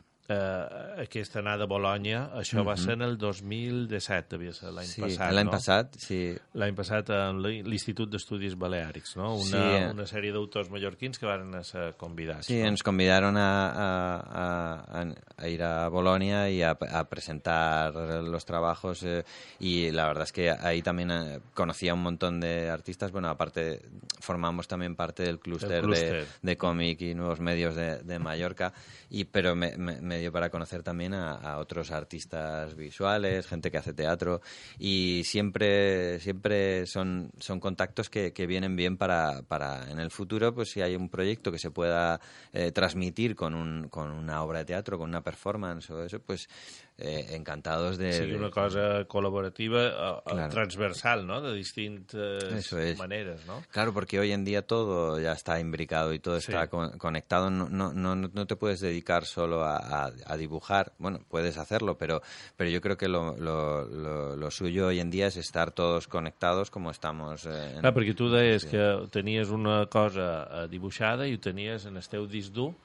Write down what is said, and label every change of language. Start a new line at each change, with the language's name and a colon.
Catalan: aquesta anada a Bolonya, això va ser en el 2017, devia ser l'any passat. Sí, l'any passat, sí. L'any passat en l'Institut d'Estudis Baleàrics, no? Una sèrie d'autors mallorquins que van ser convidats. Sí, no?
Spanish: Ens convidaron a ir a Bolonya i a presentar los trabajos y la verdad es que ahí también conocía un montón de artistas. Bueno, aparte formamos también parte del clúster de cómic y nuevos medios de Mallorca, pero me dio para conocer también a otros artistas visuales, gente que hace teatro, y siempre son contactos que vienen bien para en el futuro, pues si hay un proyecto que se pueda transmitir con una obra de teatro, con una performance o eso, pues encantados de... Sí, una cosa colaborativa, claro. Transversal, ¿no? De distintas maneres, ¿no? Claro, porque hoy en día todo ya está imbricado y todo está conectado. No te puedes dedicar solo a dibujar. Bueno, puedes hacerlo, pero yo creo que lo suyo hoy en día es estar todos conectados como estamos...
Catalan: Claro, perquè tu deies que tenies una cosa dibuixada i ho tenies en el teu disc dur.